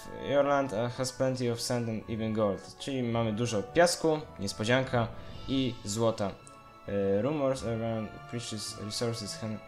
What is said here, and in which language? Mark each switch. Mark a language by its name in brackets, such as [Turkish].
[English] Your land has plenty of sand and even gold. [Polish] Czyli mamy dużo piasku, niespodzianka i złota. [English] Rumors around precious resources.